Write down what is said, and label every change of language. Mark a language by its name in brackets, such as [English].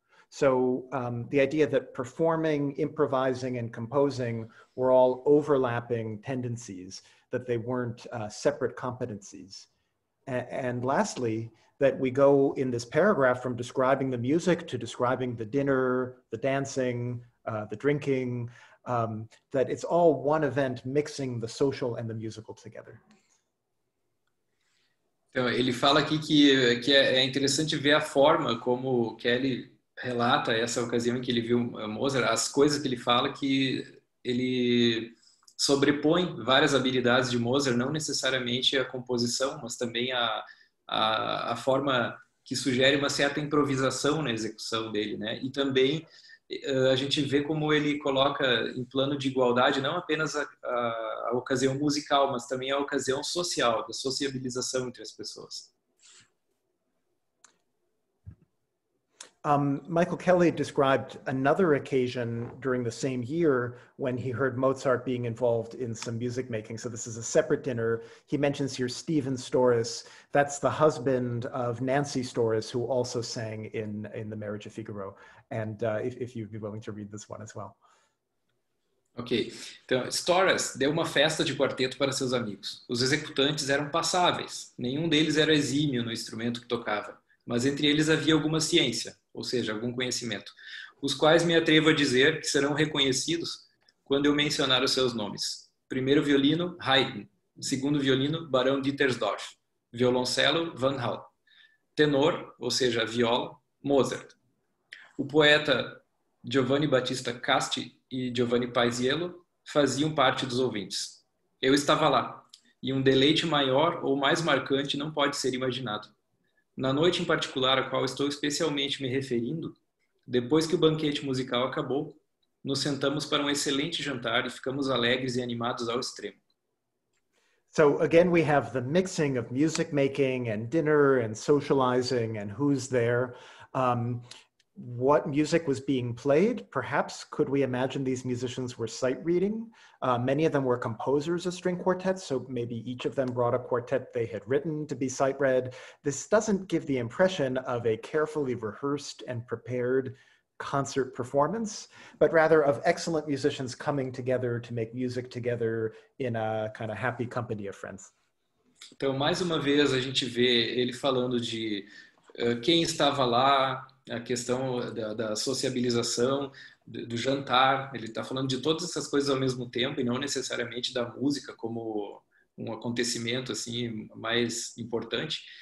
[English] So the idea that performing, improvising, and composing were all overlapping tendencies, that they weren't separate competencies. And lastly, that we go in this paragraph from describing the music to describing the dinner, the dancing, the drinking, that it's all one event mixing the social and the musical together. [Portuguese] Então, ele fala aqui que é interessante ver a forma como Kelly relata essa ocasião em que ele viu Mozart, as coisas que ele fala, que ele sobrepõe várias habilidades de Mozart, não necessariamente a composição, mas também a forma que sugere uma certa improvisação na execução dele, né? E também a gente vê como ele coloca em plano de igualdade não apenas a ocasião musical, mas também a ocasião social, da sociabilização entre as pessoas. [English] Michael Kelly described another occasion during the same year when he heard Mozart being involved in some music making. So this is a separate dinner. He mentions here Stephen Storrs. That's the husband of Nancy Storrs, who also sang in The Marriage of Figaro. And if you'd be willing to read this one as well. [Portuguese] Ok, então Storrs deu uma festa de quarteto para seus amigos. Os executantes eram passáveis, nenhum deles era exímio no instrumento que tocava, mas entre eles havia alguma ciência, ou seja, algum conhecimento, os quais me atrevo a dizer que serão reconhecidos quando eu mencionar os seus nomes: primeiro violino, Haydn; segundo violino, Barão Dietersdorf; violoncelo, Van Hall; tenor, ou seja, viola, Mozart; o poeta Giovanni Battista Casti e Giovanni Paisiello faziam parte dos ouvintes. Eu estava lá, e um deleite maior ou mais marcante não pode ser imaginado. Na noite em particular, a qual estou especialmente me referindo, depois que o banquete musical acabou, nos sentamos para um excelente jantar e ficamos alegres e animados ao extremo. [English] So again, we have the mixing of music making and dinner and socializing and who's there. What music was being played? Perhaps could we imagine these musicians were sight reading? Many of them were composers of string quartets, so maybe each of them brought a quartet they had written to be sight read. This doesn't give the impression of a carefully rehearsed and prepared concert performance, but rather of excellent musicians coming together to make music together in a kind of happy company of friends. [Portuguese] Então, mais uma vez, a gente vê ele falando de quem estava lá, a questão da sociabilização, do jantar. Ele está falando de todas essas coisas ao mesmo tempo e não necessariamente da música como um acontecimento assim mais importante.